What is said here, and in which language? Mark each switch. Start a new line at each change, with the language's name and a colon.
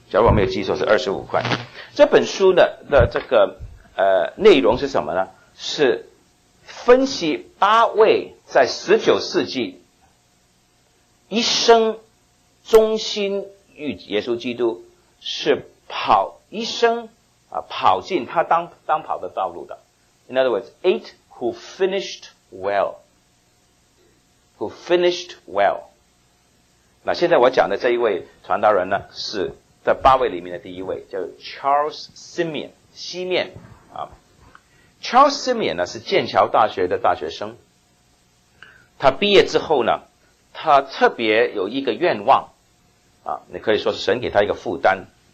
Chinese: 假如我没有记错是25块。这本书呢的这个内容是什么呢？是分析八位在19世纪一生忠心于耶稣基督，是跑一生啊跑进他当跑的道路的。
English: In other words, eight who finished well. Who finished well.
Chinese: 那现在我讲的这一位传道人呢，是在八位里面的第一位，叫 Charles Simeon, 西面。 Charles Simeon 呢，是剑桥大学的大学生。他毕业之后呢，他特别有一个愿望，你可以说是神给他一个负担。